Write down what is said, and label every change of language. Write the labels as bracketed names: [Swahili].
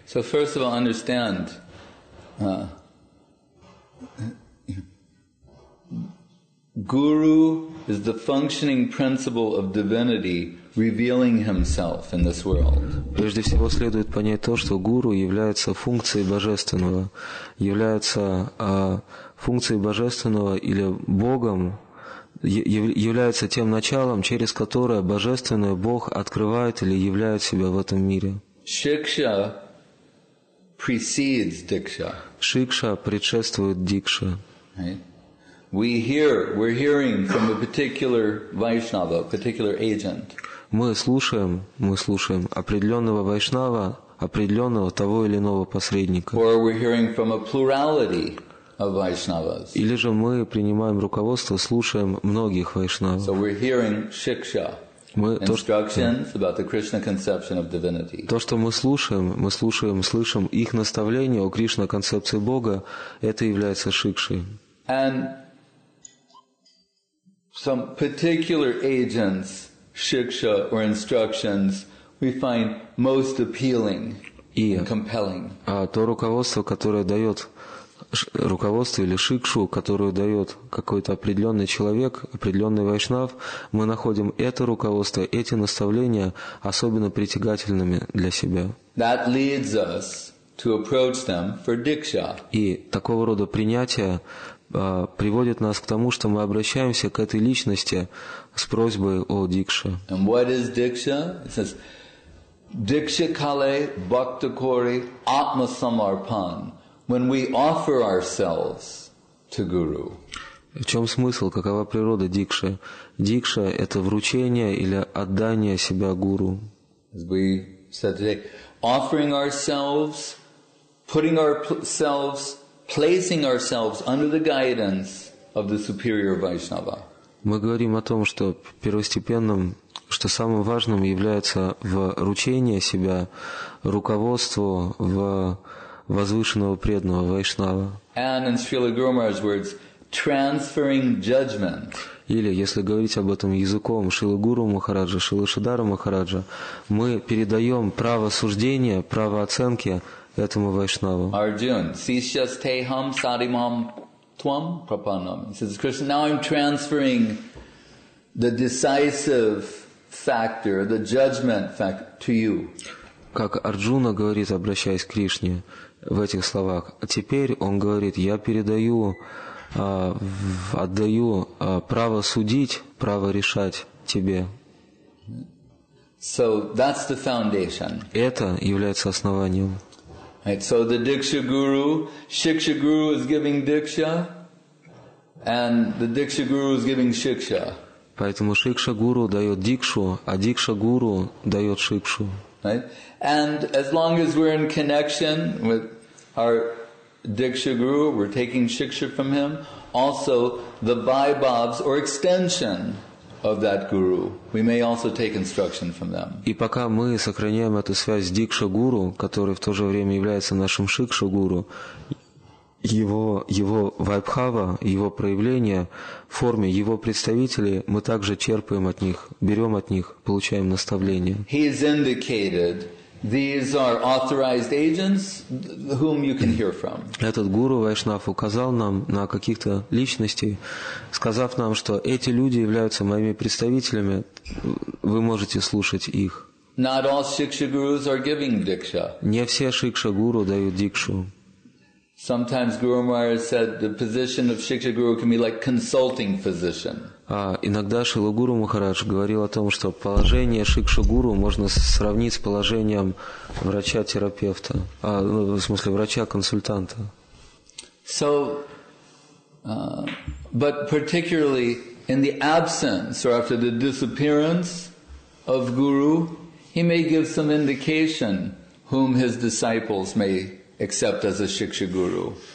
[English] So first of all, understand, guru is the functioning principle of divinity revealing himself in this world. [Russian] Прежде всего следует понять то, что гуру является функцией божественного, является функцией божественного или Богом, является тем началом, через которое божественное Бог открывает или являет себя в этом мире. [English] Шикша precedes дикша. [Russian] Шикша предшествует дикша. [English] We're hearing from a particular Vaishnava, a particular agent. [Russian] Мы слушаем определенного вайшнава, определенного того или иного посредника. [English] Or we're hearing from a plurality of Vaishnavas. [Russian] Или же мы принимаем руководство, слушаем многих вайшнавов. [English] So we're hearing shiksha, instructions about the Krishna conception of divinity. [Russian] То, что мы слышим их наставления о Кришна концепции Бога, это является шикшей. [English] And some particular agents, shiksha or instructions, we find most appealing [Russian] и, [English] and compelling. [Russian] А то руководство, которое дает руководство или шикшу, которую дает какой-то определенный человек, определенный вайшнав, мы находим это руководство, эти наставления особенно притягательными для себя. [English] That leads us to approach them for diksha. [Russian] И такого рода принятие приводит нас к тому, что мы обращаемся к этой личности с просьбой о дикше. [English] And what is diksha? It says, [Bangla] diksha kale bhaktakori atma samarpan. [English] When we offer ourselves to Guru. [Russian] В чем смысл? Какова природа дикши? Дикша – это вручение или отдание себя Гуру. [English] As we said today, offering ourselves, putting ourselves, placing ourselves under the guidance of the superior Vaishnava. [Russian] Мы говорим о том, что первостепенным, что самым важным является вручение себя, руководство в возвышенного преданного вайшнава. [English] And in Srila Guru Maharaj's words, transferring judgment. [Russian] Или, если говорить об этом языком Шрилы Гуру Махараджа, Шрилы Шридхара Махараджа, мы передаем право суждения, право оценки этому вайшнаву. [Sanskrit] Arjun, sishyas teham sarimam tvam prapannam. [English] He says, Krishna, now I'm transferring the decisive factor, the judgment factor to you. [Russian] Как Арджуна говорит, обращаясь к Кришне, в этих словах. Теперь он говорит, я передаю, отдаю право судить, право решать тебе. [English] So that's the foundation. [Russian] Это является основанием. [English] Right, so the Diksha Guru, Shiksha Guru is giving Diksha, and the Diksha Guru is giving Shiksha. [Russian] Поэтому Шикша Гуру дает Дикшу, а Дикша Гуру дает Шикшу. [English] Right? And as long as we're in connection with our Diksha Guru, we're taking Shiksha from him, also the Vaibhavs or extension of that Guru, we may also take instruction from them. [Russian] И пока мы сохраняем эту связь с Дикша Гуру, который в то же время является нашим Шикша Гуру, его Вайбхава, его проявление в форме его представителей, мы также черпаем от них, берем от них, получаем наставление. [English] He is indicated. These are authorized agents whom you can hear from. [Russian] Этот гуру Вайшнав указал нам на каких-то личностей, сказав нам, что эти люди являются моими представителями, вы можете слушать их. [English] Not all shiksha gurus are giving diksha. [Russian] Не все шикша гуру дают дикшу. [English] Sometimes Guru Maharaj said the position of shiksha guru can be like consulting physician. [Russian] Иногда Шрила Гуру Махарадж говорил о том, что положение Шикша Гуру можно сравнить с положением врача-терапевта, в смысле врача-консультанта. [English] So, but particularly in the absence or after the disappearance of Guru, he may give some indication whom his disciples may accept as a Shiksha Guru.